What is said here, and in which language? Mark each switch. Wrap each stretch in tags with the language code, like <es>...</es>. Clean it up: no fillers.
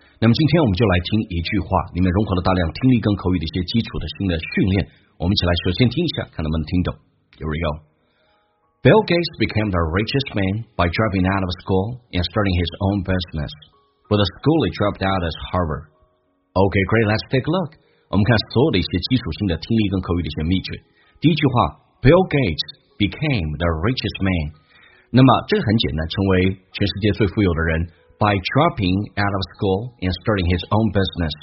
<zh>那么今天我们就来听一句话，里面融合了大量听力跟口语的一些基础的新的训练。我们一起来首先听一下，看能不能听懂。</zh> <en>Here we go. Bill Gates became the richest man by dropping out of school and starting his own business. But the school he dropped out is Harvard. Okay, great. Let's take a look.</en> <zh>我们看所有的一些基础性的听力跟口语的一些秘诀。第一句话</zh> <en>，Bill Gates。Became the richest man.</en> <zh>那么这个很简单，成为全世界最富有的人。</zh> <en>By dropping out of school and starting his own business.</en>